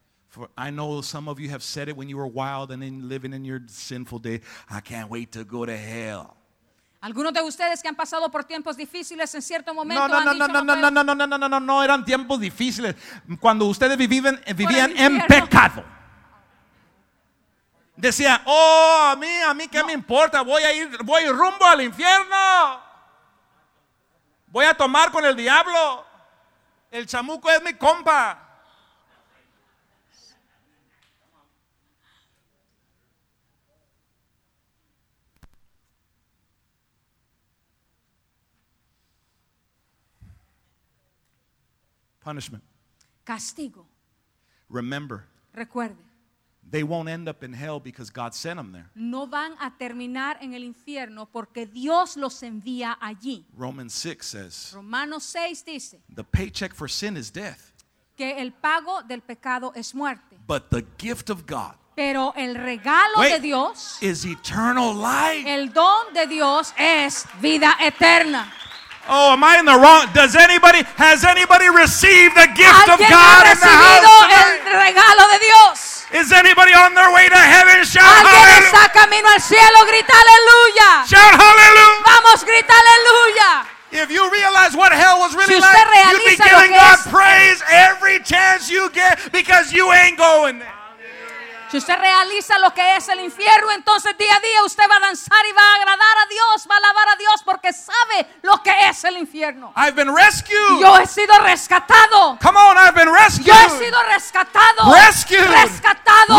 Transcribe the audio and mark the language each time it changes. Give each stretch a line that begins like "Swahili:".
English: For I know some of you have said it when you were wild and in living in your sinful day. I can't wait to go to hell.
Spanish: Algunos de ustedes que han pasado por tiempos difíciles en cierto momento no, no, han no, dicho no, no, no, no, no, no, no, no, no, no, no, eran tiempos difíciles cuando ustedes vivían en pecado. Decía, oh, a mí qué no. Me importa, voy rumbo al infierno. Voy a tomar con el diablo. El chamuco es mi compa.
English: Punishment.
Spanish: Castigo.
English: Remember.
Spanish: Recuerde.
English: They won't end up in hell because God sent them there.
Spanish: No van a terminar en el infierno porque Dios los envía allí.
English: Romans 6 says.
Spanish: Romanos 6 dice.
English: The paycheck for sin is death.
Spanish: Que el pago del pecado es muerte.
English: But the gift of God.
Spanish: Pero el regalo
English: wait,
Spanish: de Dios.
English: Is eternal life.
Spanish: El don de Dios es vida eterna.
English: Oh, am I in the wrong? Has anybody received the gift of God in the house tonight?
Spanish: El regalo de Dios?
English: Is anybody on their way to heaven? Shout hallelujah.
Spanish: Está camino al cielo, grita aleluya.
English: Shout hallelujah.
Spanish: Vamos, grita aleluya.
English: If you realize what hell was really
Spanish: si usted
English: like, you'd be giving God praise every chance you get because you ain't going there.
Spanish: Si usted realiza lo que es el infierno, entonces día a día usted va a danzar y va a agradar a Dios, va a alabar a Dios porque sabe lo que es el infierno.
English: I've been rescued.
Spanish: Yo he sido rescatado.
English: Come on, I've been rescued.
Spanish: Yo he sido rescatado.
English: Rescued.
Spanish: Rescatado.